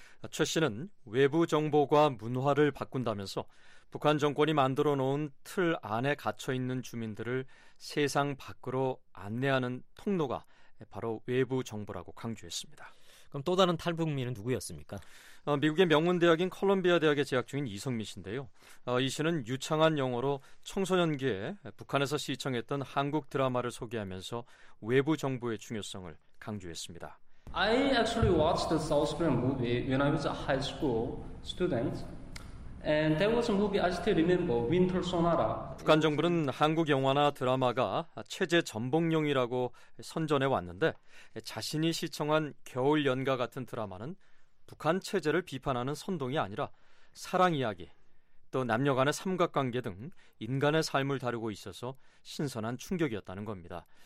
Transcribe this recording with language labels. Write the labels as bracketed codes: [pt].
[ko] 최 씨는 외부 정보가 문화를 바꾼다면서 북한 정권이 만들어 놓은 틀 안에 갇혀 있는 주민들을 세상 밖으로 안내하는 통로가 바로 외부 정보라고 강조했습니다. 그럼 또 다른 탈북민은 누구였습니까? 미국의 명문대학인 컬럼비아 대학에 재학 중인 이성민 씨인데요. 이 씨는 유창한 영어로 청소년기에 북한에서 시청했던 한국 드라마를 소개하면서 외부 정보의 중요성을 강조했습니다. [en] I actually watched the South Korean movie when I was a high school student. And there was a movie I still remember, Winter Sonata. [ko] 북한 정부는 한국 영화나 드라마가 체제 전복용이라고 선전해 왔는데 자신이 시청한 겨울 연가 같은 드라마는 북한 체제를 비판하는 선동이 아니라 사랑 이야기, 또 남녀 간의 삼각관계 등 인간의 삶을 다루고 있어서 신선한 충격이었다는 겁니다.